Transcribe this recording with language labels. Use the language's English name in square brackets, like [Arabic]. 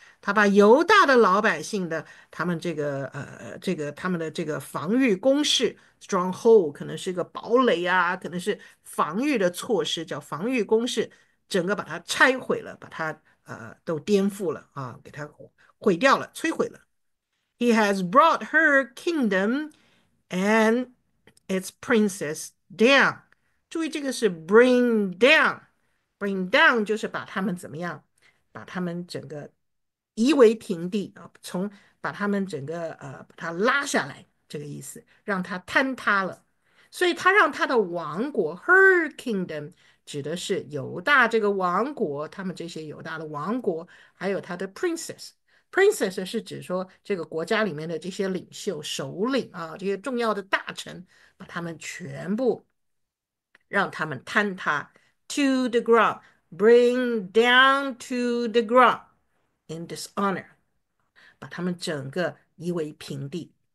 [Chinese] 他把犹大的老百姓的他们他们的这个防御工事 stronghold 可能是个堡垒啊，可能是防御的措施，叫防御工事。整个把它拆毁了，把它都颠覆了啊，给它毁掉了，摧毁了。 [English] He has brought her kingdom and its princes down。 [Chinese] 注意这个是 bring down 就是把他们怎么样？把他们整个夷为平地啊，从把他们整个把它拉下来这个意思，让它坍塌了。所以他让他的王国 her kingdom。指的是犹大这个王国，他们这些犹大的王国，还有他的 princess 是指说这个国家里面的这些领袖、首领啊，这些重要的大臣，把他们全部让他们坍塌， [English] to the ground，bring down to the ground in dishonor， [Chinese] 把他们整个夷为平地。